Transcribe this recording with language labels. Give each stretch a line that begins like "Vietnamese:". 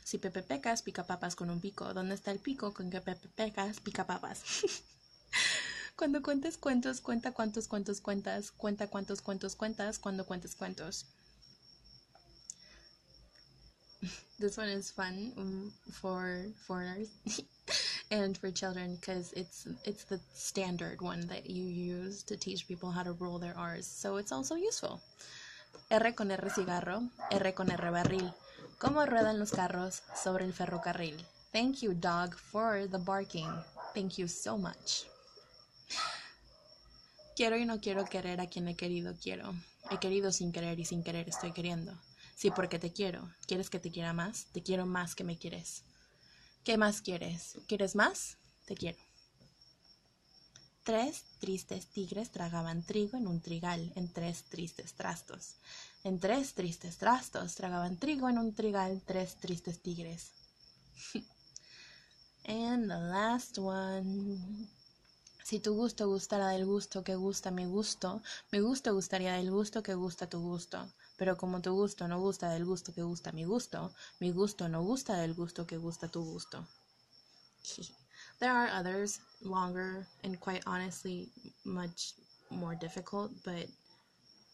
Spanish: Si Pepe Pecas pica papas con un pico, ¿dónde está el pico con que Pepe Pecas pica papas? Cuando cuentes cuentos, cuenta cuántos cuentos cuentas, cuenta cuántos cuentos cuentas, cuando cuentes cuentos.
English: This one is fun for foreigners and for children because it's the standard one that you use to teach people how to roll their R's, so it's also useful.
Spanish: R con R cigarro, R con R barril. ¿Cómo ruedan los carros sobre el ferrocarril?
English: Thank you, dog, for the barking. Thank you so much.
Spanish: Quiero y no quiero querer a quien he querido quiero. He querido sin querer y sin querer estoy queriendo. Sí, porque te quiero. ¿Quieres que te quiera más? Te quiero más que me quieres. ¿Qué más quieres? ¿Quieres más? Te quiero. Tres tristes tigres tragaban trigo en un trigal, en tres tristes trastos. En tres tristes trastos tragaban trigo en un trigal, tres tristes tigres.
English: And the last one.
Spanish: Si tu gusto gustara del gusto que gusta mi gusto gustaría del gusto que gusta tu gusto. Pero como tu gusto no gusta del gusto que gusta mi gusto no gusta del gusto que gusta tu gusto.
English: There are others longer and quite honestly much more difficult, but why would I do that to myself?